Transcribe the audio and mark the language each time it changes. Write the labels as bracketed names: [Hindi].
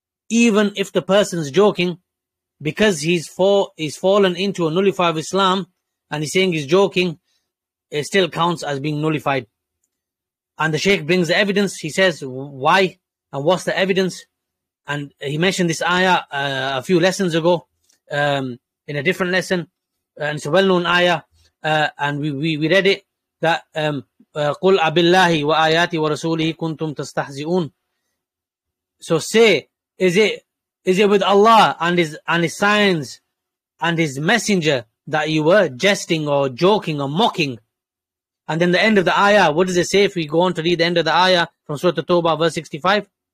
[English] Even if the person's joking, because he's fallen into a nullifier of Islam and he's saying he's joking, it still counts as being nullified. And the Shaykh brings the evidence. He says, why? And what's the evidence? And he mentioned this ayah a few lessons ago, in a different lesson. And it's a well-known ayah. And we read it, that [Arabic] قُلْ أَبِاللَّهِ وَآيَاتِ وَرَسُولِهِ كُنْتُمْ تَسْتَحْزِئُونَ. [English] So say, is it with Allah and his signs and his messenger that you were jesting or joking or mocking? And then the end of the ayah, what does it say if we go on to read the end of the ayah from Surah At-Tawbah, verse 65?